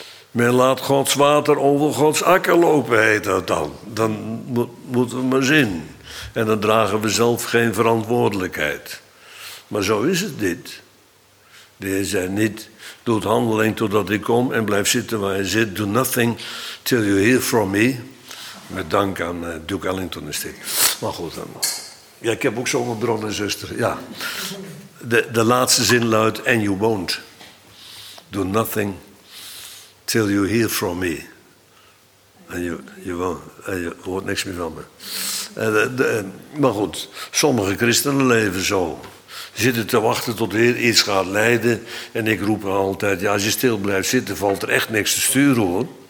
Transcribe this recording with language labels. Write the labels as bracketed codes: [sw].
[nl] Men laat Gods water over Gods akker lopen, heet dat dan. Dan moeten we maar zien. En dan dragen we zelf geen verantwoordelijkheid. Maar zo is het niet. De Heer zei niet, doe het handeling totdat ik kom en blijf zitten waar je zit. [en] Do nothing till you hear from me. [nl] Met dank aan Duke Ellington is dit. Maar goed, dan. Ja, ik heb ook zo'n bronnen, zuster. Ja. De laatste zin luidt, [en] and you won't. Do nothing till you hear from me. [nl] En je hoort niks meer van me. Maar goed, sommige christenen leven zo. Zitten te wachten tot de Heer iets gaat leiden. En ik roep altijd, ja, als je stil blijft zitten, valt er echt niks te sturen, hoor.